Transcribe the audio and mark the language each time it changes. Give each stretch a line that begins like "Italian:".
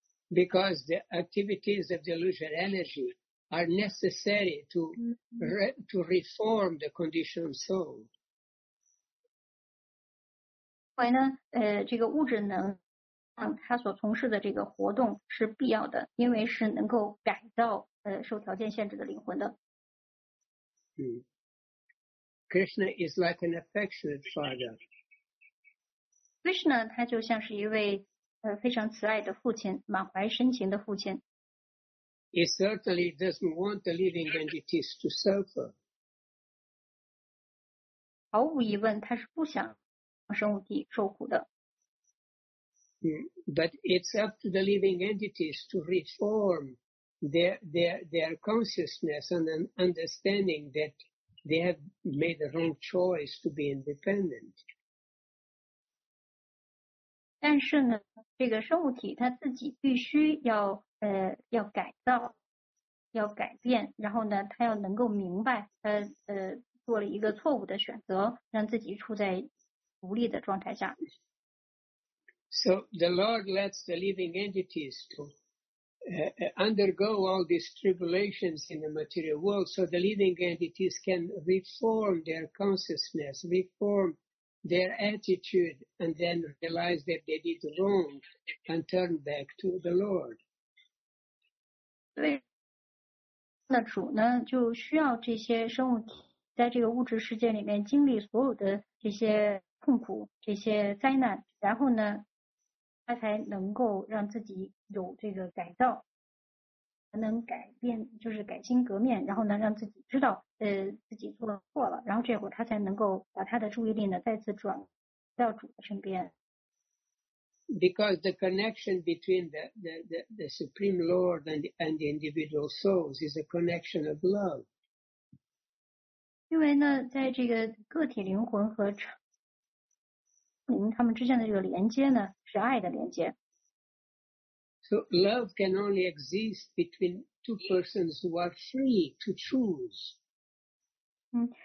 English: Because the activities of the illusory energy are necessary to reform the conditioned soul.
Chinese: 因为呢，这个物质能量它所从事的这个活动是必要的，因为是能够改造受条件限制的灵魂的。
English: 嗯。Krishna is like an affectionate father.
Chinese: Krishna, 他就像是一位非常慈爱的父亲，满怀深情的父亲。
English: He certainly doesn't want the living entities to suffer.
Chinese: 毫无疑问，他是不想生物体受苦的。
English: But it's up to the living entities to reform their consciousness and an understanding that. They have made the wrong choice to be independent.
Chinese: 但是呢，这个生物体它自己必须要要改造，要改变，然后呢，它要能够明白它做了一个错误的选择，让自己处在独立的状态下。
English: So the Lord lets the living entities to. Undergo all these tribulations in the material world so the living entities can reform their consciousness, reform their attitude, and then realize that they did wrong and turn back to the Lord.
Chinese: 对，那主呢，就需要这些生物体在这个物质世界里面经历所有的这些痛苦，这些灾难，然后呢，他才能够让自己有这个改造。能改变，就是改心革面，然后能让自己知道自己做错了，然后这会儿他才能够把他的注意力呢再次转到主的身边。
English: Because the connection between the Supreme Lord and the individual souls is a connection of love.
Chinese: 因为呢，在这个个体灵魂和他们之间的这个连接呢，是爱的连接。
English: So love can only exist between two persons who are free to choose.